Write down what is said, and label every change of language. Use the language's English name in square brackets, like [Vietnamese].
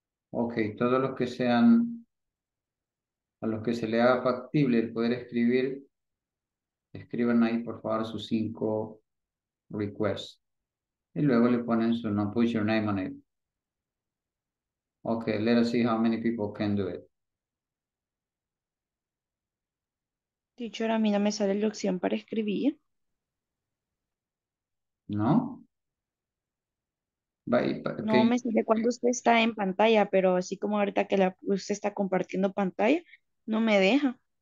[Spanish] Okay, todos los que sean, a los que se le haga factible el poder escribir, escriban ahí, por favor, sus 5 requests. Y luego le ponen su nombre, [English] put your name on it. Okay, let us see how many people can do it. [Spanish] Teacher, a mí no me sale la opción para escribir. No. No me sale cuando usted está en pantalla, pero así como ahorita que usted está compartiendo pantalla, no me deja.